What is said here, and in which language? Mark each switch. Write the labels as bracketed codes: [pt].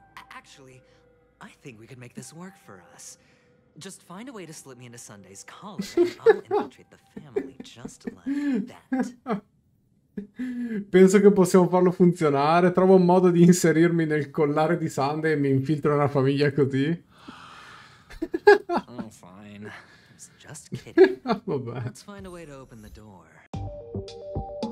[en] Actually, I think we could make this work for us. Just find a way to slip me into Sunday's college and I'll infiltrate the family just like that. [it] Penso che possiamo farlo funzionare. Trovo un modo di inserirmi nel collare di Sunday e mi infiltro nella famiglia così. [en] Oh, fine. I was just kidding. [it] Vabbè. [en] Let's find a way to open the door.